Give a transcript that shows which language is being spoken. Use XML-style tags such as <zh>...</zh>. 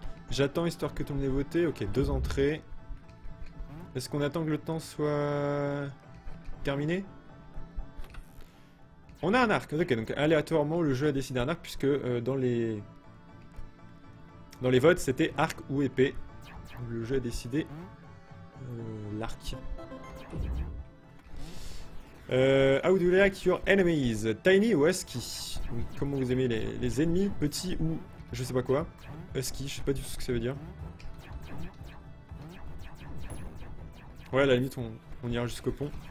<fr>J'attends histoire que tout le monde ait voté. Ok, deux entrées. Est-ce qu'on attend que le temps soit terminé? On a un arc. Ok, donc aléatoirement, le jeu a décidé un arc puisque dans les votes, c'était arc ou épée. Donc, le jeu a décidé l'arc.</fr> <en>How do you like your enemies?</en> <fr>Tiny ou husky? Comment vous aimez les ennemis? Petits ou... Je sais pas quoi. Husky, je sais pas du tout ce que ça veut dire. Ouais, à la limite, on ira jusqu'au pont.</fr>